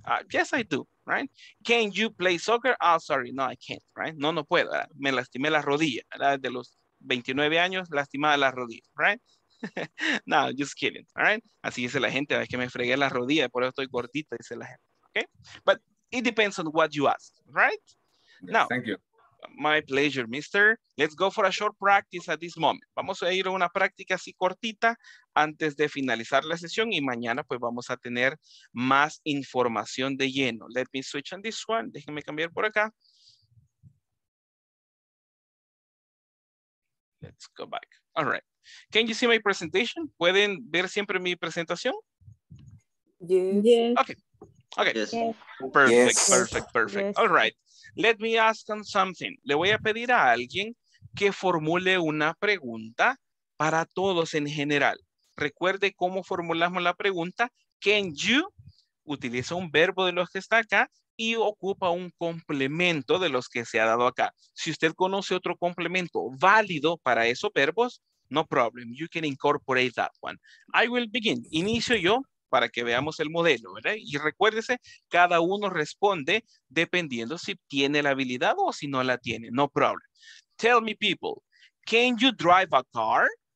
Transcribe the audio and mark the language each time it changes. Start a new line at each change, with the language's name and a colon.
English: Yes, I do, right? Can you play soccer? Oh, sorry, no, I can't, right?
Spanish: No, no puedo, ¿verdad? Me lastimé la rodilla, ¿verdad? De los 29 años, lastimada la rodilla,
English: right? No, just kidding, right?
Spanish: Así dice la gente, es que me fregué la rodilla, por eso estoy gordita, dice la gente, ¿okay?
English: But it depends on what you ask, right? Yes, now, thank you. My pleasure, mister. Let's go for a short practice at this moment.
Spanish: Vamos a ir a una práctica así cortita antes de finalizar la sesión y mañana pues vamos a tener más información de lleno.
English: Let me switch on this one.
Spanish: Déjenme cambiar por acá.
English: Let's go back. All right. Can you see my presentation?
Spanish: ¿Pueden ver siempre mi presentación?
English: Yes. Okay. Okay. Yes. Perfect, yes. Perfect, perfect. Yes. All right. Let me ask on something.
Spanish: Le voy a pedir a alguien que formule una pregunta para todos en general. Recuerde cómo formulamos la pregunta. Can you? Utiliza un verbo de los que está acá y ocupa un complemento de los que se ha dado acá. Si usted conoce otro complemento válido para esos verbos,
English: no problem. You can incorporate that one. I will begin.
Spanish: Inicio yo. Para que veamos el modelo, ¿verdad? Y recuérdese, cada uno responde dependiendo si tiene la habilidad o si no la tiene.
English: No problem. Tell me, people, can you drive a car?